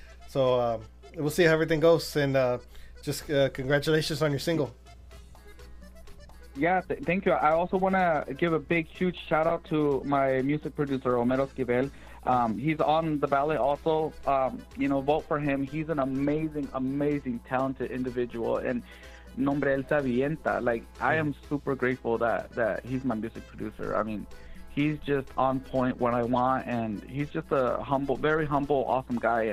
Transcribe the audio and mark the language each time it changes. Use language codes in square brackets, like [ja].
[en] So we'll see how everything goes, and just congratulations on your single. Yeah, thank you. I also want to give a big, huge shout out to my music producer, Romero Esquivel. He's on the ballot also. You know, vote for him. He's an amazing, amazing, talented individual. And [es] nombre, él se avienta. [en] Like, I am super grateful that he's my music producer. I mean, he's just on point when I want. And he's just a humble, very humble, awesome guy.